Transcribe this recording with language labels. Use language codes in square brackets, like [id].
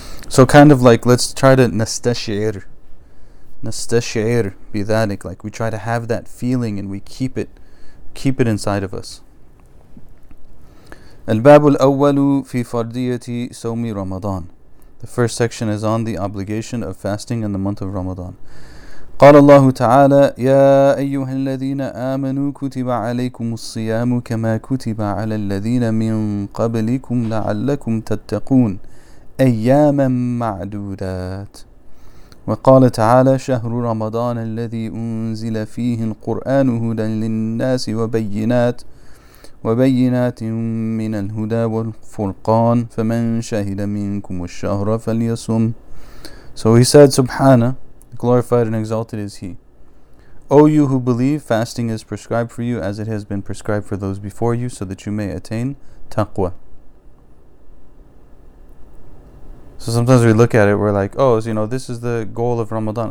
[en] So, kind of like, let's try to nastashir. [ar] Nastashir bi thalik. [en] Like, we try to have that feeling and we keep it inside of us. [ar] Al babul awwalu fi fardiyati sawmi Ramadan. [en] The first section is on the obligation of fasting in the month of Ramadan. [ar] قال الله تعالى يا أيها الذين آمنوا كتب عليكم الصيام كما كتب على الذين من قبلكم لعلكم تتقون أياما معدودات. وقال تعالى شهر رمضان الذي أنزل فيه القرآن هدى للناس وبينات من الهدى والفرقان فمن شهد منكم الشهر فليصم. [en] So he said, Subhana, glorified and exalted is he. O you who believe, fasting is prescribed for you as it has been prescribed for those before you, so that you may attain taqwa. So sometimes we look at it, we're like, oh, so, you know, this is the goal of Ramadan.